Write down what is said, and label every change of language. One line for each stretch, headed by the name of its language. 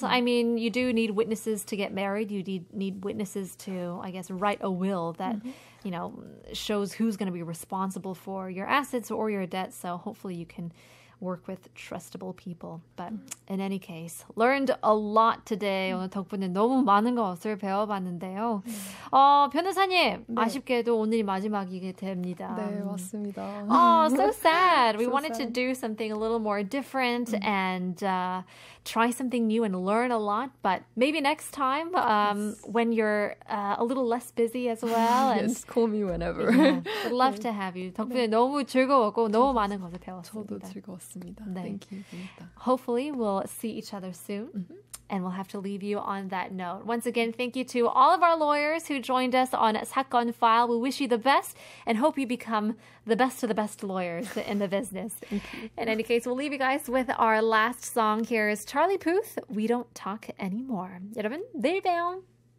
English: Mm. I mean, you do need witnesses to get married. You need witnesses to, I guess, write a will that, mm-hmm. you know, shows who's going to be responsible for your assets or your debts. So hopefully you can work with trustable people. But in any case, learned a lot today.
Korean: 오늘 덕분에 너무 많은 것을 배워봤는데요. 변호사님, 네. 아쉽게도 오늘이 마지막이게 됩니다. 네, 맞습니다.
English: Oh, so sad. We wanted to do something a little more different and try something new and learn a lot. But maybe next time when you're a little less busy as well. And, yes, call me whenever. Yeah, would love to have you. 덕분에 네.
Korean: 너무 즐거웠고 너무 많은 것을 배웠습니다. 저도 즐거웠습니다. 네.
English: Thank you. Hopefully, we'll see each other soon. Mm-hmm. And we'll have to leave you on that note. Once again, thank you to all of our lawyers who joined us on 사건File. We wish you the best and hope you become the best of the best lawyers in the business. In any case, we'll leave you guys with our last song. Here is Charlie Puth, We Don't Talk Anymore.
Korean: 여러분, 내일 봬요.